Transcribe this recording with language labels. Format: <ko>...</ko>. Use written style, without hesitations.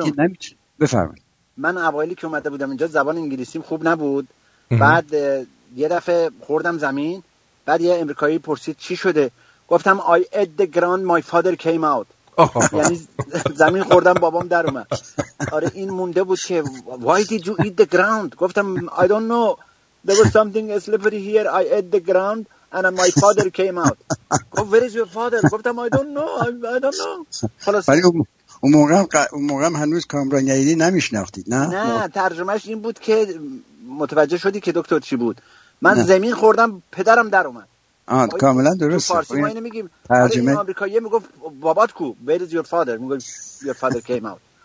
<fa>نمیتونه بفرمایید. من اوایلی که اومده بودم اینجا زبان انگلیسیم خوب نبود، بعد یه دفعه خوردم زمین، بعد یه امریکایی پرسید چی شده، گفتم</fa> <en>I ate the ground my father came out،</en> <fa>یعنی زمین خوردم بابام در اومد. آره این مونده بود که</fa> <en>Why did you eat the ground؟</en> <fa>گفتم</fa> <en>I don't know there was something slippery here I ate the ground and my father came out. Where is your father؟</en> <fa>گفتم</fa> <en>I don't know.</en> <fa>اون موقع هم هنوز کامران یعیدی نمیشناختید؟ نه ترجمهش این بود که متوجه شدی که دکتر چی بود. من زمین خوردم پدرم در اومد. آه کاملا درست. تو فارسی ما اینو میگیم ترجمه. آره این امریکایی میگفت بابات کو</fa> <en>Where is your father؟</en> <fa>میگفت</fa> <en>Your father came out.</en>